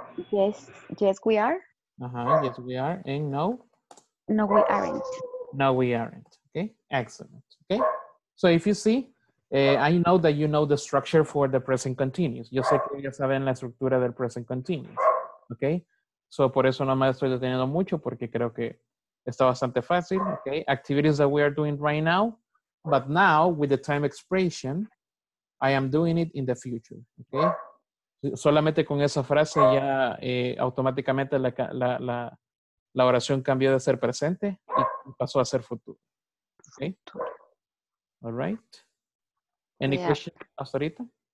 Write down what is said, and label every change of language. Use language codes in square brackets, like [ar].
[en] Yes, we are. Uh-huh, yes, we are. And no? No, we aren't. No, we aren't. Okay, excellent. Okay, so if you see, I know that you know the structure for the present continuous. [es] Yo sé que ya saben la estructura del present continuous. [en] Okay, so [es] por eso no me estoy deteniendo mucho porque creo que está bastante fácil. [en] Okay, activities that we are doing right now, but now with the time expression, I am doing it in the future. Okay. [es] Solamente con esa frase ya automáticamente la oración cambió de ser presente y pasó a ser futuro. [en] Okay. All right. Any questions [es] hasta ahorita?